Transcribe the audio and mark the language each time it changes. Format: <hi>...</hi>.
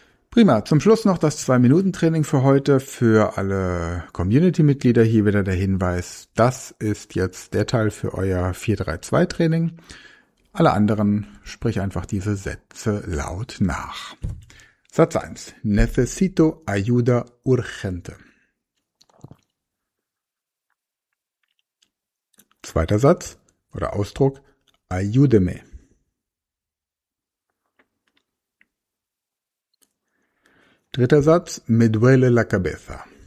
<de>Prima, zum Schluss noch das 2-Minuten-Training für heute. Für alle Community-Mitglieder hier wieder der Hinweis, das ist jetzt der Teil für euer 4-3-2-Training. Alle anderen, sprich einfach diese Sätze laut nach. Satz 1.</de> <es>Necesito ayuda urgente.</es> <de>Zweiter Satz oder Ausdruck.</de> <es>Ayúdeme.</es> <de>Dritter Satz.</de> <es>Me duele la cabeza.</es>